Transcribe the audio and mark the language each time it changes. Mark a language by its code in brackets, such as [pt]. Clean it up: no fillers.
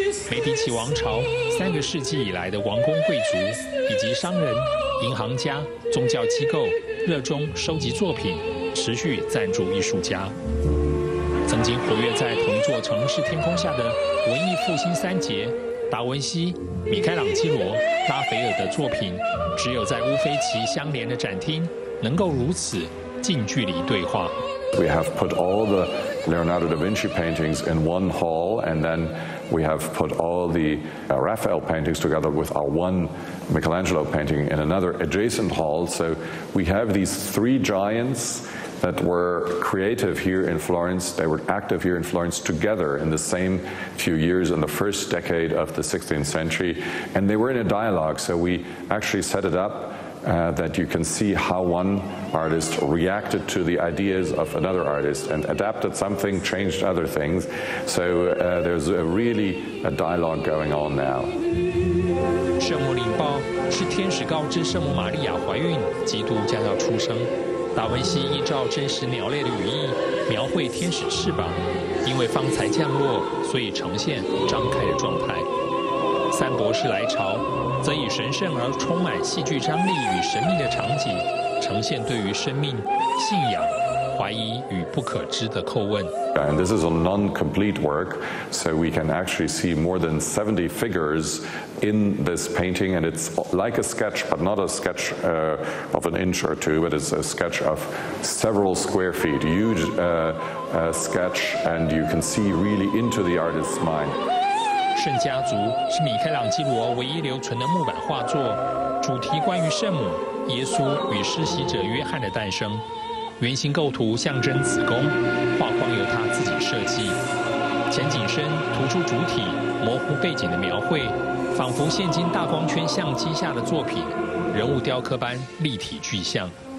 [zh] 梅迪奇王朝3个世纪以来的王公贵族以及商人、银行家、宗教机构热衷收集作品，持续赞助艺术家。曾经活跃在同座城市天空下的文艺复兴三杰达文西、米开朗基罗、拉斐尔的作品，只有在乌菲奇相连的展厅能够如此近距离对话。 [en] We have put all the Leonardo da Vinci paintings in one hall, and then we have put all the Raphael paintings together with our one Michelangelo painting in another adjacent hall. So we have these three giants that were creative here in Florence. They were active here in Florence together in the same few years in the first decade of the 16th century. And they were in a dialogue, so we actually set it up. That you can see how one artist reacted to the ideas of another artist and adapted something, changed other things. So there's a really a dialogue going on now. [zh] 圣母领报是天使告知圣母玛利亚怀孕，基督将要出生。达文西依照真实鸟类的羽翼描绘天使翅膀，因为方才降落，所以呈现张开的状态。三博士来朝，则以神圣而充满戏剧张力与神秘的场景，呈现对于生命、信仰、怀疑与不可知的叩问。 [en] And this is a non-complete work, so we can actually see more than 70 figures in this painting, and it's like a sketch, but not a sketch of an inch or two, but it's a sketch of several square feet, huge sketch, and you can see really into the artist's mind. [zh] 圣家族是米开朗基罗唯一留存的木板画作，主题关于圣母、耶稣与施洗者约翰的诞生。圆形构图象征子宫，画框由他自己设计。前景深，突出主体，模糊背景的描绘，仿佛现今大光圈相机下的作品，人物雕刻般立体具象。